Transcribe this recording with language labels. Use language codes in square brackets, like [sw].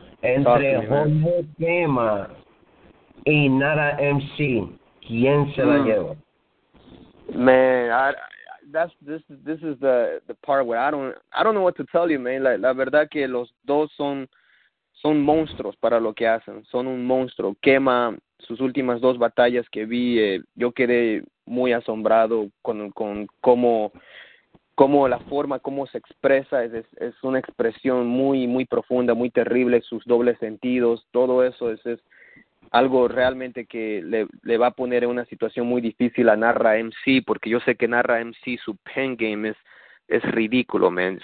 [es] Entre Jorge Tema y Nara MC, ¿quién se la lleva? [en] Man, this is the part where I don't know what to tell you, man. [es] La verdad que los dos son monstruos para lo que hacen. Son un monstruo. Quema, sus últimas dos batallas que vi, yo quedé muy asombrado con cómo la forma, cómo se expresa, es una expresión muy, muy profunda, muy terrible, sus dobles sentidos, todo eso es algo realmente que le va a poner en una situación muy difícil a Narra MC, porque yo sé que Narra MC, su pen game es ridículo, man.